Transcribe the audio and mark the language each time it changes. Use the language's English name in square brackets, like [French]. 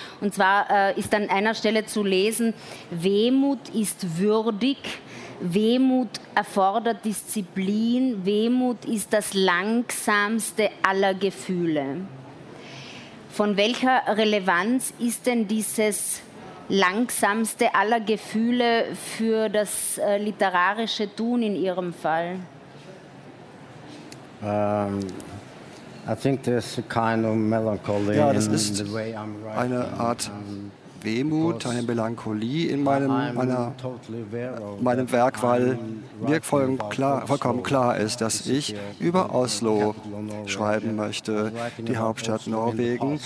[German] Und zwar ist an einer Stelle zu lesen, Wehmut ist würdig, Wehmut erfordert Disziplin, Wehmut ist das langsamste aller Gefühle. Von welcher Relevanz ist denn dieses langsamste aller Gefühle für das literarische Tun in Ihrem Fall? [English] I think there's a kind of melancholy. [German] Ja, das ist [English] in the way I'm writing. [German] Eine Art Wehmut, eine Melancholie in meinem Werk, weil mir vollkommen klar ist, dass ich über Oslo schreiben möchte, die Hauptstadt Norwegen.